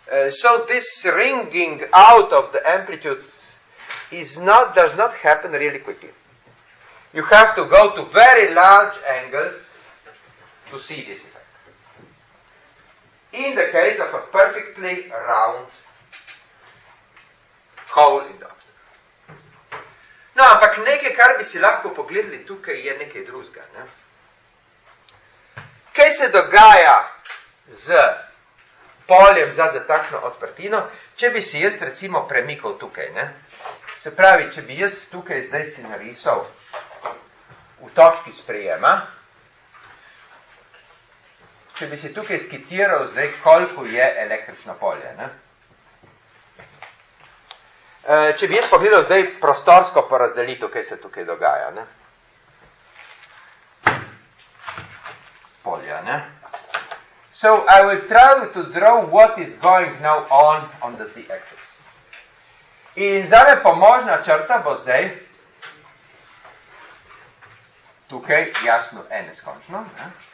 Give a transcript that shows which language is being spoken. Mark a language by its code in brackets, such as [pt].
[en] So this ringing out of the amplitude does not happen really quickly. You have to go to very large angles to see this effect. In the case of a perfectly round hole in the obstacle. [sl] No, ampak nekaj, kar bi si lahko pogledali tukaj, je nekaj drugega. Ne? Kaj se dogaja z poljem za takšno odprtino, če bi si jaz recimo premikal tukaj? Ne? Se pravi, če bi jaz tukaj zdaj si narisal v točki sprejema, če bi si tukaj skiciral zdaj, koliko je električno polje, ne? Če bi jaz pogledal zdaj prostorsko porazdelitev, kaj se tukaj dogaja, ne? Polja, ne? [en] So, I will try to draw what is going now on the z-axis. [sl] In zame pomožna črta bo zdaj tukaj jasno N neskončno, ne?